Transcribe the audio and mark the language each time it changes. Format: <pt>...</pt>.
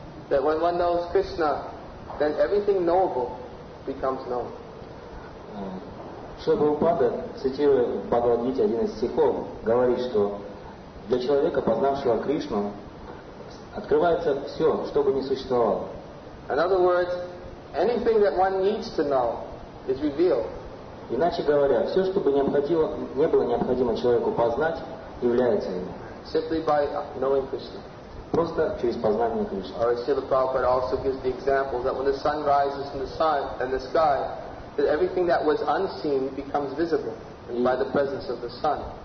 <en>That when one knows Krishna, then everything knowable becomes known.</en> <ru>Шри Прабхупада, цитируя в Бхагавад Гите один из стихов, говорит, что для человека, познавшего Кришну, открывается все, что бы ни существовало.</ru> <en>In other words, anything that one needs to know is revealed.</en> <ru>Иначе говоря, все, что бы не было необходимо человеку познать, является ему.</ru> <en>Simply by knowing Krishna.</en> <ru>Просто через познание Кришны.</ru> <en>Or Srila Prabhupada also gives the example that when the sun rises in the sky, that everything that was unseen becomes visible by the presence of the sun.</en>